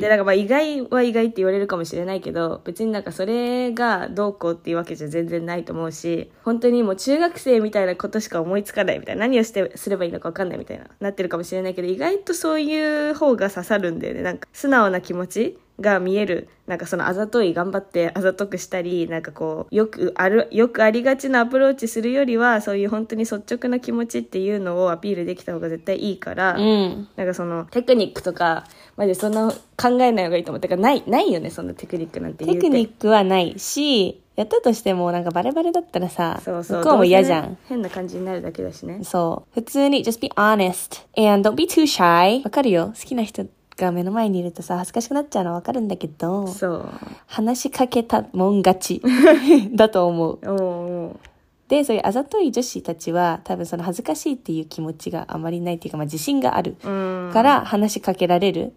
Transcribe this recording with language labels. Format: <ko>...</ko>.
<ja>で、なんかまあ意外は意外って言われるかもしれないけど、別になんかそれがどうこうっていうわけじゃ全然ないと思うし、本当にもう中学生みたいなことしか思いつかないみたいな、何をしてすればいいのか分かんないみたいななってるかもしれないけど、意外とそういう方が刺さるんだよね。なんか素直な気持ちが見える、なんかそのあざとい、頑張ってあざとくしたり、なんかこうよくありがちなアプローチするよりは、そういう本当に率直な気持ちっていうのをアピールできた方が絶対いいから、うん、なんかそのテクニックとかマジでそんな考えない方がいいと思う。だからないよね、そんなテクニックなんて。言うテクニックはないし、やったとしてもなんかバレバレだったらさ、そうそう、向こうも嫌じゃん、ね、変な感じになるだけだしね。</ja> <en>そう、普通に just be honest and don't be too shy。</en> <ja>わかるよ、好きな人が目の前にいるとさ恥ずかしくなっちゃうの分かるんだけど、そう、話しかけたもん勝ちだと思う。で、そういうあざとい女子たちは多分その恥ずかしいっていう気持ちがあまりないっていうか、まあ、自信があるから話しかけられる、</ja>